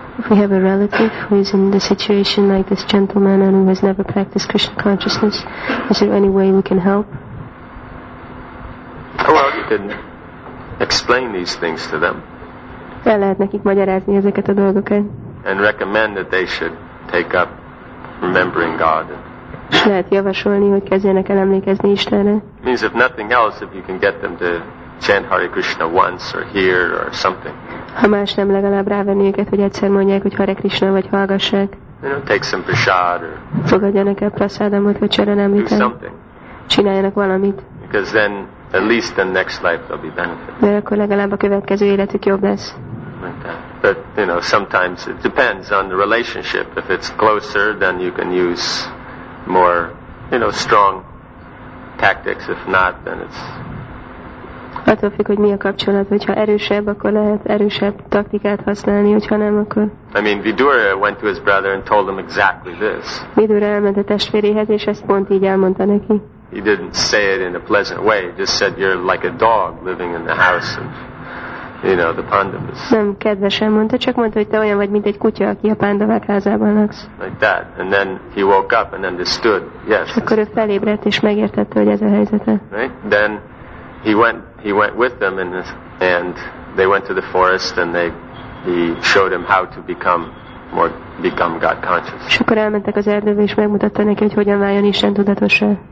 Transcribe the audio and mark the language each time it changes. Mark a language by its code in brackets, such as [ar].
[en] We have a relative who is in the situation like this gentleman and who has never practiced Krishna consciousness. Is there any way we can help? Well, you can explain these things to them. [hu] El lehet nekik magyarázni ezeket a dolgokat. [en] And recommend that they should take up remembering God. [hu] Lehet javasolni, hogy kezdjenek el emlékezni Istenre. [en] Means if nothing else, if you can get them to chant Hare Krishna once or here or something. [hu] Ha más nem, legalább rávenni őket, hogy egyszer mondják, hogy Hare Krishna, vagy hallgassák. [en] Take some prasad or [hu] fogadjanak el prasadamot, vagy charanamritát. Csináljanak valamit. [en] Because then at least the next life they'll be benefited. [hu] De akkor legalább a következő életük jobb lesz. [en] But you know, sometimes it depends on the relationship. If it's closer, then you can use more, you know, strong tactics. If not, then it's [hu] attól függ, hogy mi a kapcsolat, hogyha erősebb, akkor lehet erősebb taktikát használni, hogyha nem, akkor. [en] I mean, Vidura went to his brother and told him exactly this. [hu] Vidura elment a testvéréhez, és ezt pont így elmondta neki. [en] He didn't say it in a pleasant way. He just said, you're like a dog living in the house of, you know, the Pandavas. [hu] Nem kedvesen mondta, csak mondta, hogy te olyan vagy, mint egy kutya, aki a Pandavák házában laksz. [en] Like that. And then he woke up and understood. Yes. [hu] És akkor ő felébredt, és megértette, hogy ez a helyzete. [en] Right? Then he went with them and they went to the forest and he showed him how to become God conscious. [hu] És akkor elmentek az erdőbe, és megmutatta neki, hogy hogyan váljon Isten tudatossá.